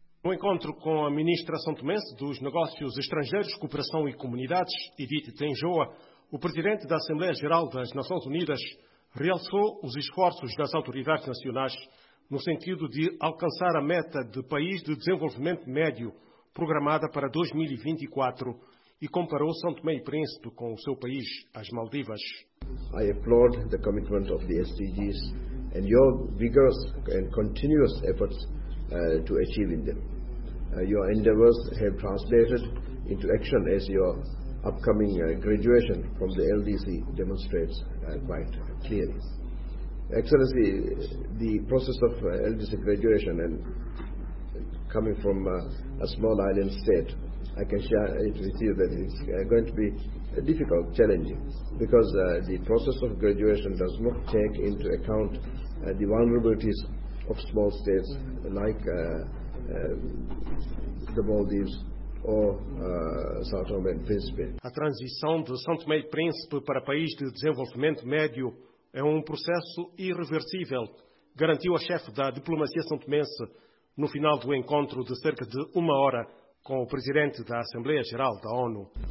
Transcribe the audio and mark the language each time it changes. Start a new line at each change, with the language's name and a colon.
Portuguese: No encontro com a Ministra São Tomense dos Negócios Estrangeiros, Cooperação e Comunidades, Edith Tenjoa, o Presidente da Assembleia Geral das Nações Unidas realçou os esforços das autoridades nacionais no sentido de alcançar a meta de país de desenvolvimento médio programada para 2024 e comparou São Tomé e Príncipe com o seu país, as Maldivas.
English: I applaud the commitment of the SDGs and your vigorous and continuous efforts to achieving them. Your endeavors have translated into action as your upcoming graduation from the LDC demonstrates quite clearly. Excellency, the process of LDC graduation and coming from a small island state, I can share it with you that it's going to be difficult, challenging, because the process of graduation does not take into account the vulnerabilities of small states like the Maldives,
Portuguese: A transição de São Tomé e Príncipe para país de desenvolvimento médio é um processo irreversível, garantiu a chefe da diplomacia santomense no final do encontro de cerca de uma hora com o presidente da Assembleia Geral da ONU.